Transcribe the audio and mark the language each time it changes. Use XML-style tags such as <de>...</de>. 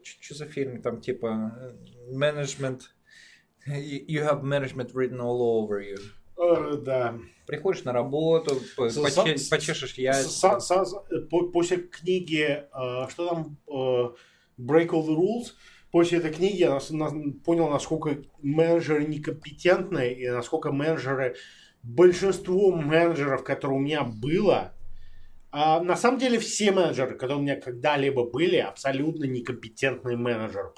<ru>Что за фильм там, типа, management...</ru> <en>You have management written all over you.</en> <ru>Да. Приходишь на работу, почешешь яйца. После книги... Что там? Break all the rules... После этой книги я понял, насколько менеджеры некомпетентны и насколько менеджеры, большинство менеджеров, которые у меня было, на самом деле все менеджеры, которые у меня когда-либо были, абсолютно некомпетентные менеджеры.</ru>